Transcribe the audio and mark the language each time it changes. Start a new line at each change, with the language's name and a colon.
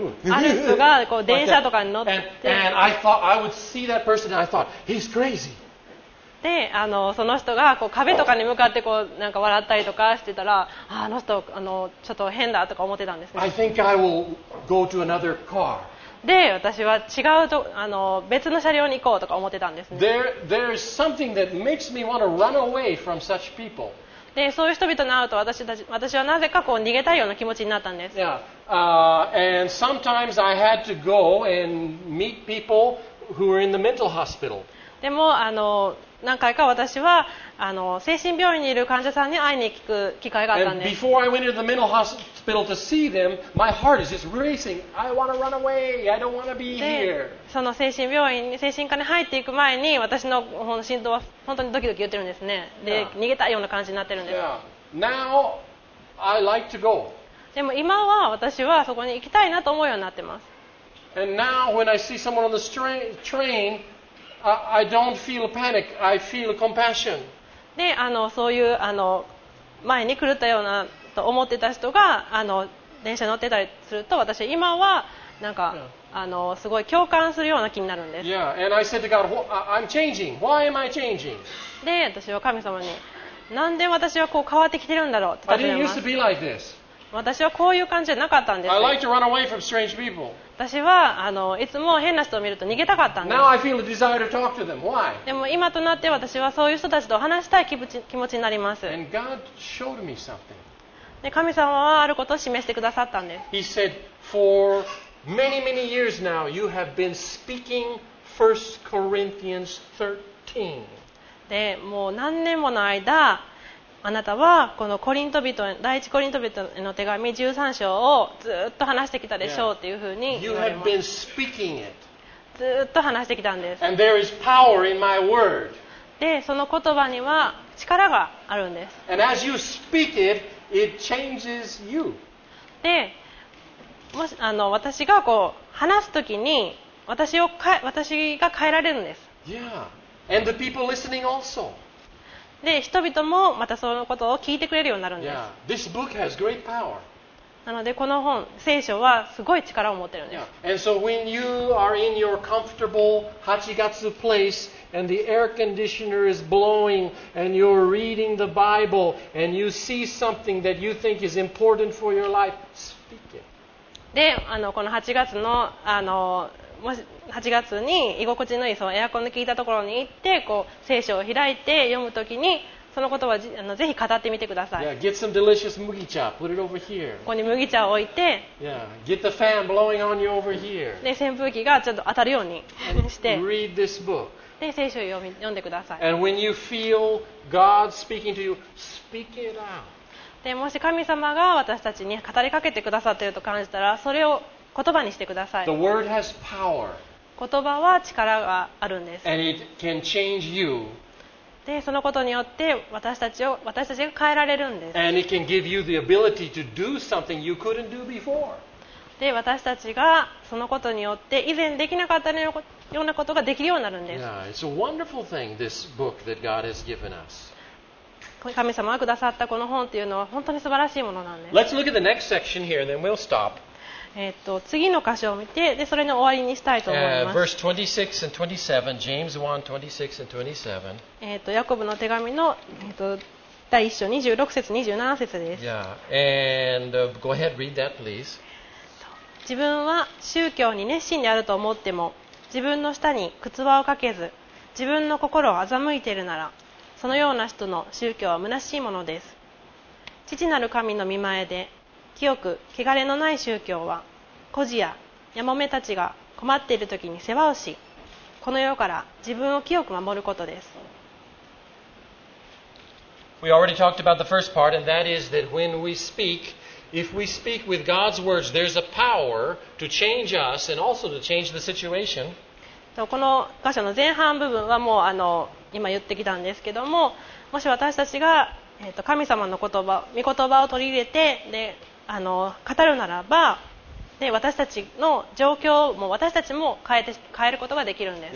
Japanese: ある人がこう電車とかに乗って。
English: And I thought I would see that person and I thought he's crazy.
Japanese: で、その人がこう壁とかに向かってこうなんか笑ったりとかしてたら、あの人ちょっと変だとか思ってたんですね。
English: I think I will go to another car.
Japanese: で、私は違うと別の車両に行こうとか思ってたんですね。
English: There is something that makes me want to run away from such people.
Japanese: で、そういう人々に会うと私はなぜかこう逃げたいような気持ちになったんです。
English: Yeah. And sometimes I had to go and meet people who were in the mental hospital.
Japanese: でも何回か私は精神病院にいる患者さんに会いに行く機会があったんです。
English: And before I went into the mental hospital to see them, my heart is just racing. I want to run away. I don't want to be here.
Japanese: その精神科に入っていく前に私の心臓は本当にドキドキ言ってるんですね。で、
English: yeah.
Japanese: 逃げたいような感じになってるんです。
English: Yeah. Now, I like to go.
Japanese: でも今は私はそこに行きたいなと思うようになってます。
English: And now, when I see someone on the train,I don't feel panic. I feel compassion.
Japanese: で、そういう前に狂ったようなと思ってた人が電車乗ってたりすると、私今はなんか、
English: yeah.
Japanese: すごい共感するような気になるんです。
English: Yeah, and I said to God, I'm changing. Why am I changing?
Japanese: で、私は神様に、なんで私はこう変わってきてるんだろうって尋ねます。
English: I didn't used to be like this.
Japanese: 私はこういう感じじゃなかったんです。
English: I like to run away from strange people.
Japanese: 私はいつも変な人を見ると逃げたかったんです。
English: Now I feel a desire to talk to them. Why?
Japanese: でも今となって私はそういう人たちと話したい気持ちになります。
English: And God showed me something.
Japanese: で、神様はあることを示してくださったんです。
English: He said, for many, many years now, you have been speaking 1 Corinthians 13.
Japanese: で、もう何年もの間、あなたはこのコリント人第一コリント人への手紙13章をずっと話してきたでしょうっていうふうに言われます。
English: Yeah.
Japanese: ずっと話してきたんです。
English: And there is power in my word.
Japanese: で、その言葉には力があるんです。
English: And as you speak it, it changes you.
Japanese: で、もし私がこう話すときに私が変えられるんです。
English: Yeah. And the people listening also.
Japanese: で、人々もまたそのことを聞いてくれるようになるんです。
English: Yeah. This book has great power.
Japanese: なのでこの本、聖書はすごい力を持ってるんです。
English: Yeah. And so when you are in your comfortable hachigatsu place and the air conditioner is blowing and you're reading the Bible and you see something that you think is important for your life, speak it.
Japanese: で、この8月のもし8月に居心地のいいそのエアコンの効いたところに行ってこう聖書を開いて読むときにその言葉をぜひ語ってみてください。
English: Yeah, get some delicious 麦茶, put it over here.
Japanese: ここに麦茶を置いて、
English: yeah. get the fan blowing on you over here.
Japanese: で扇風機がちょっと当たるようにして
English: read this book.
Japanese: で聖書を読んでください。
English: And when you feel God speaking to you, speak it out.
Japanese: でもし神様が私たちに語りかけてくださっていると感じたら、それを言葉にしてください。
English: The word has power.
Japanese: 言葉は力があるんです。
English: And it can change you.
Japanese: でそのことによって私たちが変えられるんです。
English: And it can give you the ability to do something you couldn't do before.
Japanese: で私たちがそのことによって以前できなかったようなことができるようになるんです。
English: Yeah, it's a wonderful thing, this book that God has given us.
Japanese: 神様がくださったこの本というのは本当に素晴らしいものなんです。
English: Let's look at the next section here, then we'll stop.
Japanese: 次の箇所を見てでそれの終わりにしたいと思います。
English: Verse 26 and 27, James 1, 26 and 27.
Japanese: ヤコブの手紙の、第1章26節27節です。
English: Yeah. And, go ahead, read that, please.
Japanese: 自分は宗教に熱心であると思っても自分の舌に靴輪をかけず自分の心を欺いているならそのような人の宗教は虚しいものです。父なる神の御前で清く汚れのない宗教は孤児やヤモメたちが困っている時に世話をしこの世から自分を清く守ることです。
English: We already talked about the first part, and that is that when we speak, if we speak with God's words, there's a power to change us and also to change the situation.
Japanese: この箇所の前半部分はもう今言ってきたんですけども、もし私たちが神様の言葉、御言葉を取り入れて、で、語るならば、で、私たちの状況も私たちも変えることができるんです。